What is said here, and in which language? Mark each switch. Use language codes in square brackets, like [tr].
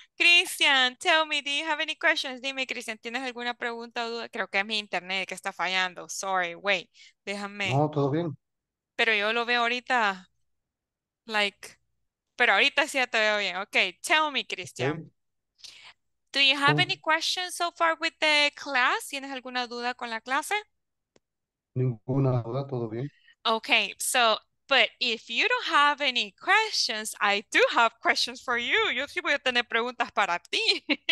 [en] Christian, tell me, do you have any questions? [es] Dime, Christian, ¿tienes alguna pregunta o duda? Creo que es mi internet que está fallando. Sorry, wait, déjame. No, todo bien. Pero yo lo veo ahorita, [en] like, [es] pero ahorita sí ya te veo bien. [en] Okay, tell me, Christian. Do you have any questions so far with the class? [es] ¿Tienes alguna duda con la clase? Ninguna duda, todo bien. [en] Okay, so... But if you don't have any questions, I do have questions for you. [es] Yo sí voy a tener preguntas para ti.